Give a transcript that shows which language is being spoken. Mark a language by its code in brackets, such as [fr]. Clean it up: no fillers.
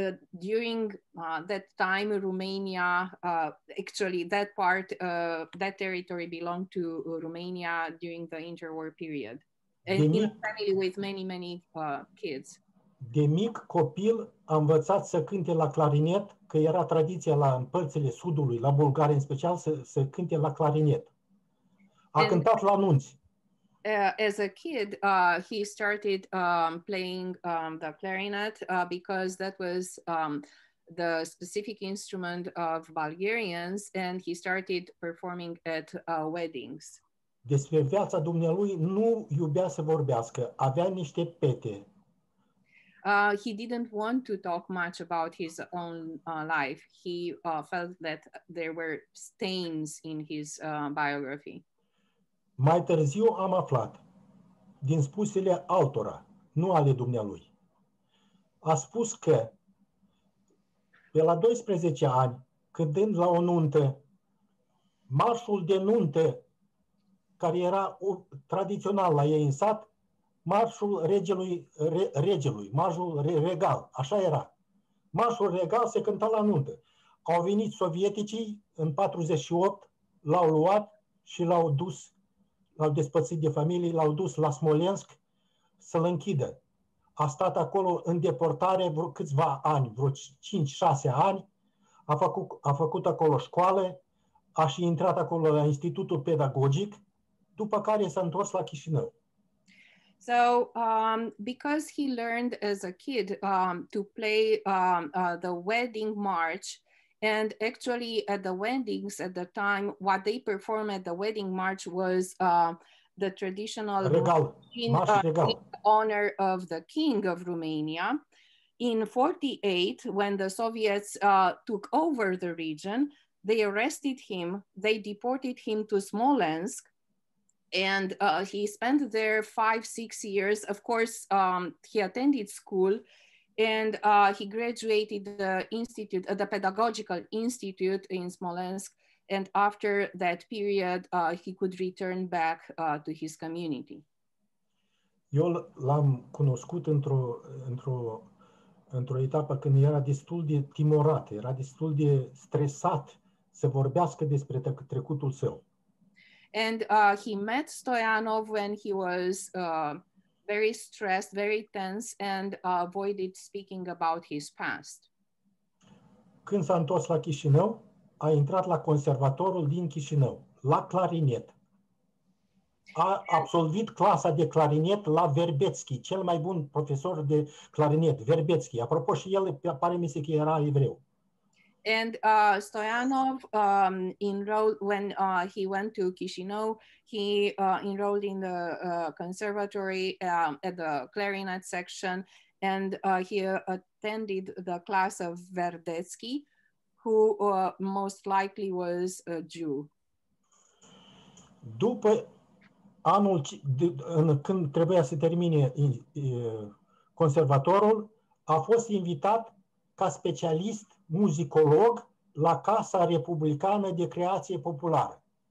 [en] During that time, Romania, actually that part, that territory belonged to Romania during the interwar period. In a family with many, many kids. [ro] De mic copil a învățat să cânte la clarinet, că era tradiția la părțile sudului, la Bulgaria în special, să cânte la clarinet. A cântat la nunți. [en] As a kid, he started playing the clarinet because that was the specific instrument of Bulgarians, and he started performing at weddings. [ro] Despre viața dumnealui nu iubea să vorbească, avea niște pete. [en] He didn't want to talk much about his own life. He felt that there were stains in his biography. [ro] Mai târziu am aflat, din spusele altora, nu ale dumnealui, a spus că pe la 12 ani, cântând la o nuntă, marșul de nuntă, care era tradițional la ei în sat, Marșul regelui, regelui, marșul regal, așa era. Marșul regal se cânta la nuntă. Au venit sovieticii în 48, l-au luat și l-au dus, l-au despățit de familie, l-au dus la Smolensk să-l închidă. A stat acolo în deportare vreo câțiva ani, vreo 5-6 ani, a făcut acolo școală, a și intrat acolo la Institutul Pedagogic, după care s-a întors la Chișinău. [en] So, because he learned as a kid to play the wedding march, and actually at the weddings at the time, what they perform at the wedding march was the traditional honor of the king of Romania. In 48, when the Soviets took over the region, they arrested him, they deported him to Smolensk, and he spent there 5-6 years. Of course, he attended school, and he graduated the institute, the pedagogical institute in Smolensk, and after that period, he could return back to his community. [ro] Eu l-am cunoscut într-o etapă când era destul de timorat, era destul de stresat să vorbească despre trecutul său. [en] And he met Stoyanov when he was very stressed, very tense, and avoided speaking about his past. [ro] Când s-a întors la Chișinău, a intrat la conservatorul din Chișinău, la clarinet. A absolvit clasa de clarinet la Verbețchi, cel mai bun profesor de clarinet, Verbețchi. Apropo, și el pare mi se că era evreu. [en] And Stoyanov enrolled when he went to Chișinău, he enrolled in the conservatory at the clarinet section, and he attended the class of Verbețchi, who most likely was a Jew. [ro] După anul când trebuia să termine conservatorul, a fost invitat ca specialist muzicolog la Casa Republicană de Creație Populară.